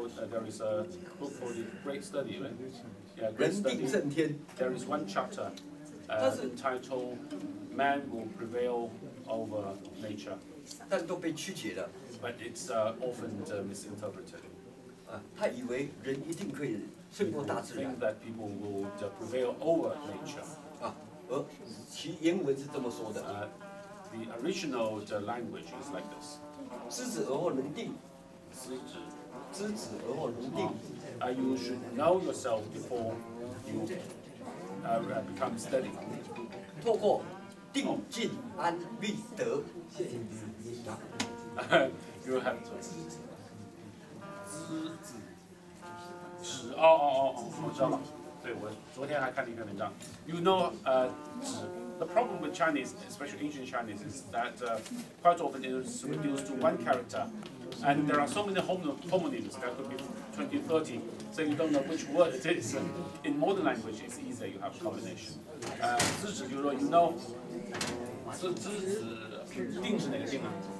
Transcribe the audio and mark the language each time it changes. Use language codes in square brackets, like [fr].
[en] There is a book called Great Study, right? Yeah, Great Study. [zh] 人定胜天。 [en] There is one chapter. Entitled Man Will Prevail Over Nature. [zh] 但都被曲解了。 [en] But it's often misinterpreted. [zh] 他以为人一定可以胜过大自然。 [en] Think that people will prevail over nature. [zh] 其原文是这么说的。 [en] The original the language is like this. [zh] 知止而后能定。知止而后能定。 [en] You should know yourself before you become steady. [zh] 透过定静安虑得。 [en] You have to. [zh] 知止。我知道了。对，我昨天还看了一篇文章。 [en] You know, the problem with Chinese, especially ancient Chinese, is that quite often it is reduced to one character, and there are so many homonyms that could be 20, 30, so you don't know which word it is. In modern language, it's easier. You have combination. [zh] 知止，比如说 you know, 知止，定是哪个定啊？